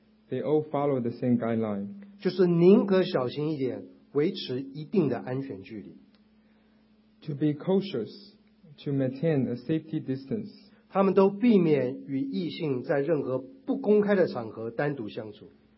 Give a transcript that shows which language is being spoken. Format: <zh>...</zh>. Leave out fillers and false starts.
<en>They all follow the same guideline.</en> <zh>就是宁可小心一点，维持一定的安全距离。</zh> <en>To be cautious, to maintain a safety distance.</en> <zh>他们都避免与异性在任何不公开的场合单独相处。</zh>